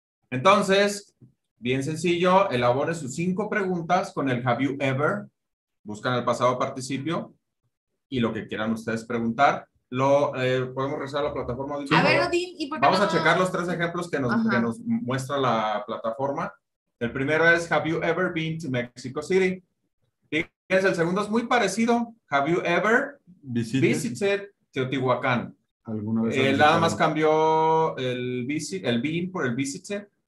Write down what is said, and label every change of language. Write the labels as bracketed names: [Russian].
[Spanish] Entonces, bien sencillo, elabore sus 5 preguntas con el [English] have you ever, [Spanish] buscan el pasado participio y lo que quieran ustedes preguntar, podemos regresar a la plataforma. Sí, vamos a checar los 3 ejemplos que nos muestra la plataforma. El primero es [English] have you ever been to Mexico City. [Spanish] Fíjense, el segundo es muy parecido, [English] have you ever visited Teotihuacán. [Spanish] Nada más cambió el been por el visited.